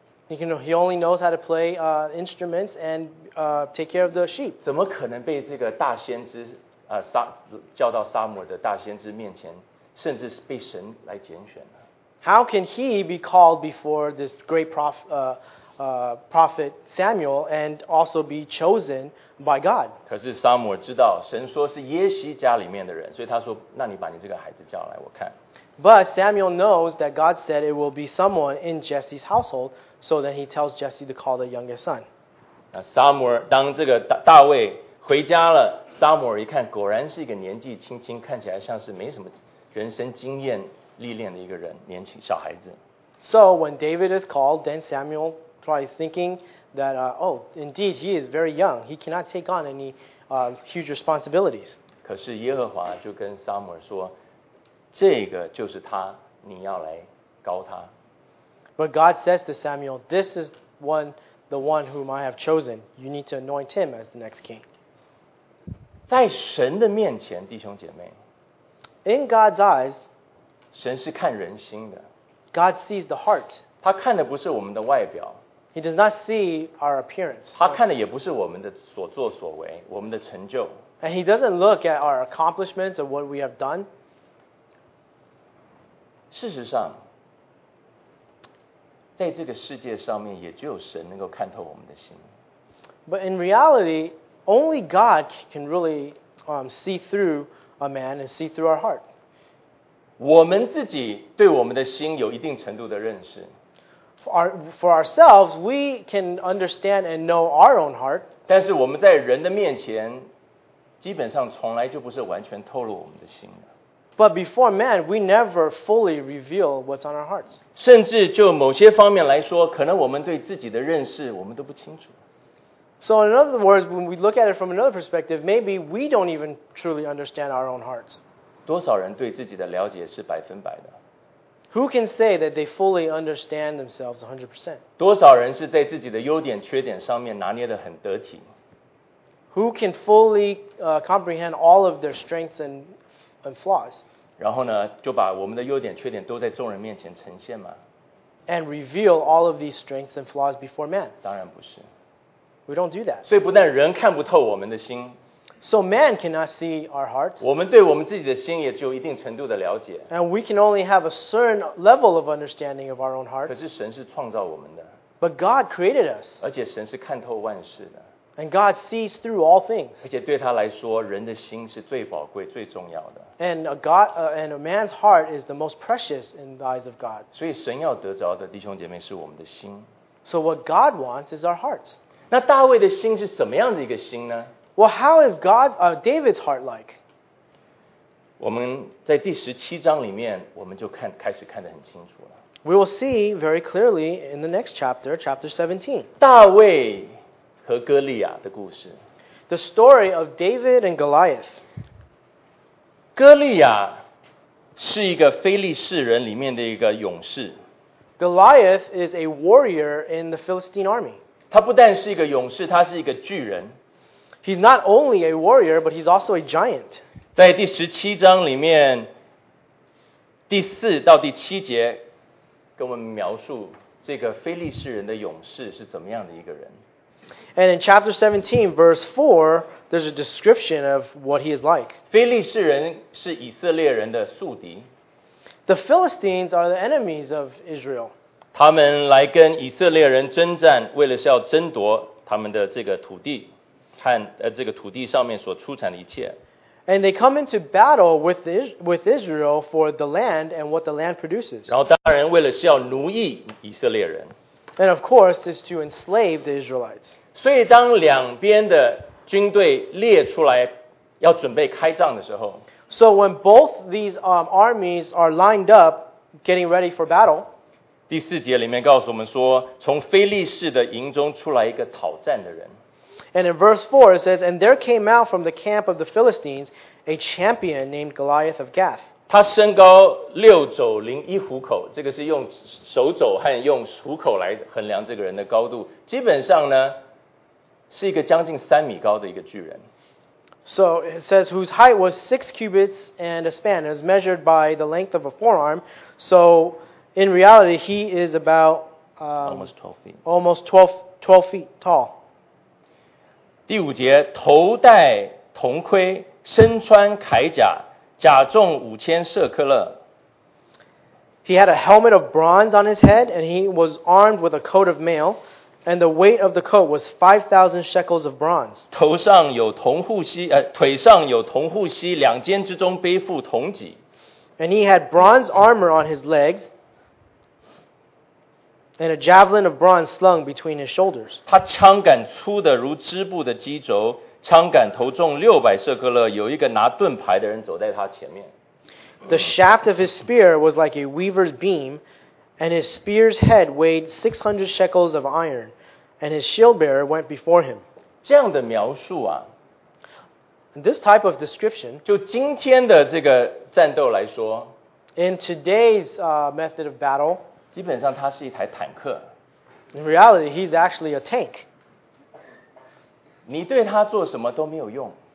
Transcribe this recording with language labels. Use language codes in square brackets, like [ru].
[en] He only knows how to play instruments and take care of the sheep. [zh] 怎么可能被这个大先知叫到撒母耳的大先知面前，甚至被神来拣选呢？ [en] How can he be called before this great prophet Samuel and also be chosen by God? [zh] 可是撒母耳知道神说是耶西家里面的人，所以他说：“那你把你这个孩子叫来，我看。” [en] But Samuel knows that God said it will be someone in Jesse's household. So then he tells Jesse to call the youngest son. [zh] 那撒母耳当这个大卫回家了，撒母耳一看，果然是一个年纪轻轻，看起来像是没什么人生经验历练的一个人，年轻小孩子。 [en] So when David is called, then Samuel probably thinking that, indeed he is very young. He cannot take on any huge responsibilities. [zh] 可是耶和华就跟撒母耳说，这个就是他，你要来膏他。 [en] But God says to Samuel, this is the one whom I have chosen. You need to anoint him as the next king. [zh] 在神的面前，弟兄姐妹， [en] In God's eyes, [zh] 神是看人心的。 [en] God sees the heart. [zh] 他看的不是我们的外表。 [en] He does not see our appearance. [zh] 他看的也不是我们的所作所为，我们的成就。 [en] And he doesn't look at our accomplishments or what we have done. [zh] 事实上，在这个世界上面，也只有神能够看透我们的心。 [en] But in reality, only God can really see through a man and see through our heart. [zh] 我们自己对我们的心有一定程度的认识。 [en] For ourselves, we can understand and know our own heart. [zh] 但是我们在人的面前，基本上从来就不是完全透露我们的心的。 [en] But before man, we never fully reveal what's on our hearts. [zh] 甚至就某些方面来说，可能我们对自己的认识，我们都不清楚。 [en] So in other words, when we look at it from another perspective, maybe we don't even truly understand our own hearts. [zh] 多少人对自己的了解是百分百的？ [en] Who can say that they fully understand themselves 100%? [zh] 多少人是在自己的优点缺点上面拿捏得很得体？ [en] Who can fully comprehend all of their strengths and flaws? [zh] 然后呢，就把我们的优点缺点都在众人面前呈现吗？ [en] And reveal all of these strengths and flaws before man? [zh] 当然不是。 [en] We don't do that. [zh] 所以不但人看不透我们的心， [en] So man cannot see our hearts. [zh] 我们对我们自己的心也只有一定程度的了解。 [en] And we can only have a certain level of understanding of our own hearts. [zh] 可是神是创造我们的。 [en] But God created us. [zh] 而且神是看透万事的。 [en] And God sees through all things. [zh] 而且对他来说，人的心是最宝贵、最重要的。 [en] And a man's heart is the most precious in the eyes of God. [zh] 所以神要得着的弟兄姐妹是我们的心。 [en] So what God wants is our hearts. [zh] 那大卫的心是什么样的一个心呢？ [en] Well, how is God, David's heart like? [zh] 我们在第十七章里面，我们就看开始看得很清楚了。 [en] We will see very clearly in the next chapter, chapter 17. [zh] 大卫和哥利亚的故事。 [en] The story of David and Goliath. [zh] 哥利亚是一个非利士人里面的一个勇士。 [en] Goliath is a warrior in the Philistine army. [zh] 他不但是一个勇士，他是一个巨人。 [en] He's not only a warrior, but he's also a giant. [zh] 在第十七章里面，第四到第七节，跟我们描述这个非利士人的勇士是怎么样的一个人。 [en] And in chapter 17, verse 4, there's a description of what he is like. [zh] 非利士人是以色列人的宿敌。 [en] The Philistines are the enemies of Israel. [zh] 他们来跟以色列人征战，为了是要争夺他们的这个土地和这个土地上面所出产的一切。 [en] And they come into battle with Israel for the land and what the land produces. [zh] 然后当然为了是要奴役以色列人。 [en] And of course is to enslave the Israelites. [zh] 所以当两边的军队列出来要准备开仗的时候。 [en] So when both these armies are lined up getting ready for battle, [zh] 第四节里面告诉我们说，从非利士的营中出来一个讨战的人。 [en] And in verse 4 it says, And there came out from the camp of the Philistines a champion named Goliath of Gath. [zh] 他身高六肘零一虎口，这个是用手肘和用虎口来衡量这个人的高度。基本上呢，是一个将近三米高的一个巨人。 [en] So it says, whose height was 6 cubits and a span, as measured by the length of a forearm. So... In reality, he is about almost 12 feet tall. [zh] 第五节，头戴铜盔，身穿铠甲，甲重5000舍克勒。 [en] He had a helmet of bronze on his head, and he was armed with a coat of mail, and the weight of the coat was 5,000 shekels of bronze. [zh] 头上有铜护膝，腿上有铜护膝，两肩之中背负铜戟。 [en] And he had bronze armor on his legs. And a javelin of bronze slung between his shoulders. [zh] 他枪杆粗的如织布的机轴，枪杆头重600舍克勒。有一个拿盾牌的人走在他前面。 [en] The shaft of his spear was like a weaver's beam, and his spear's head weighed 600 shekels of iron, and his shield bearer went before him. [zh] 这样的描述啊 [en] ，this type of description， [zh] 就今天的这个战斗来说 [en] ，in today's method of battle。 [zh] 基本上他是一台坦克。 [en] In reality, he's actually a tank. [zh] 你对他做什么都没有用。